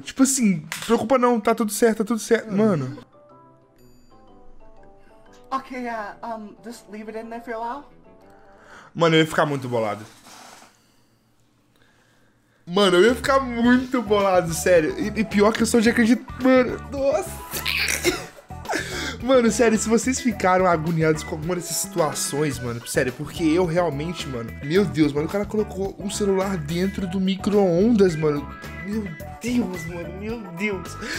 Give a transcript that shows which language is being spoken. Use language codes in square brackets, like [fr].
[pt] Tipo assim, não se preocupa não, tá tudo certo, tá tudo certo. Mano. [en] Ok, just leave it in there for a while. [pt] Mano, eu ia ficar muito bolado. Mano, eu ia ficar muito bolado, sério. E pior que eu só já acredito. Mano, nossa. Mano, sério, se vocês ficaram agoniados com alguma dessas situações, mano, sério, porque eu realmente, mano, meu Deus, mano, o cara colocou um celular dentro do micro-ondas, mano, meu Deus, mano, meu Deus.